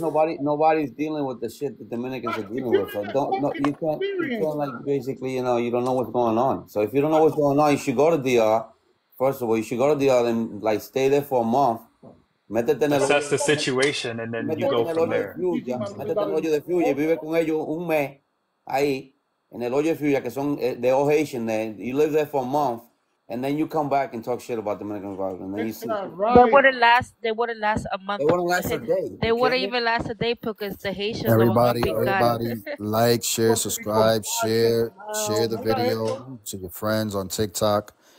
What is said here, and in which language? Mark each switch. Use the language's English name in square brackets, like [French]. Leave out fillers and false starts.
[English] Nobody's dealing with the shit the Dominicans are dealing with. So you don't know what's going on. So if you don't know what's going on, you should go to DR. First of all, you should go to DR and like stay there for a month. Assess the situation and then you go from there. [Spanish] Métete en el hoyo de fuya, vive con ellos un mes ahí en el hoyo de fuya que son de [English] all Haitian. Then you live there for a month. And then you come back and talk shit about Dominican Republic. And then you see. They wouldn't last a day because the Haitians. Everybody, like, share, subscribe, share the video to your friends on TikTok.